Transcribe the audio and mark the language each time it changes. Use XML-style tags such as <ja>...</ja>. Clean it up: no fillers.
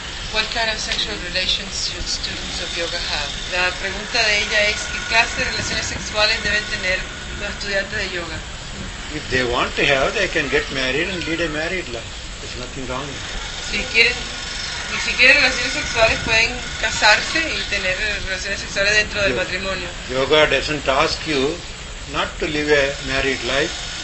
<en>What kind of sexual relations should students of yoga have?</en> <es>La pregunta de ella es qué clase de relaciones sexuales deben tener los estudiantes de yoga.</es> <en>If they want to have, they can get married and lead a married life. There's nothing wrong.</en> <es>Si quieren relaciones sexuales pueden casarse y tener relaciones sexuales dentro del matrimonio.</es> <en>Yoga doesn't ask you not to live a married life.</en>